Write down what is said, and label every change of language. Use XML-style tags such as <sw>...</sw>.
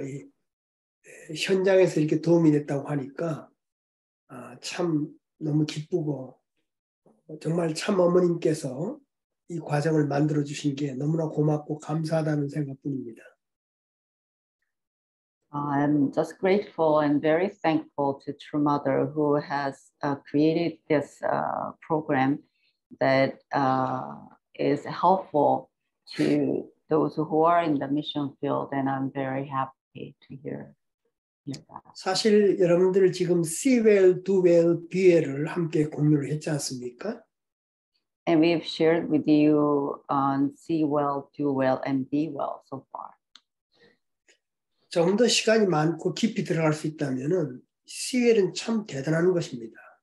<ko>이, 현장에서 이렇게 도움이 됐다고 하니까 아, 참 너무 기쁘고 정말 참 어머님께서 이 과정을 만들어주신 게 너무나 고맙고 감사하다는 생각뿐입니다.</ko> <en>I'm just grateful and very thankful to True Mother who has created this program that is helpful to those who are in the mission field, and I'm very happy to hear that.</en> <ko>사실 여러분들 지금</ko> <en>see well, do well, be well</en> <ko>을 함께 공유를 했지 않습니까?</ko> <en>And we've shared with you on see well, do well, and be well so far.</en> <ko>좀 더 시간이 많고 깊이 들어갈 수 있다면은 CL은 참 대단한 것입니다.</ko>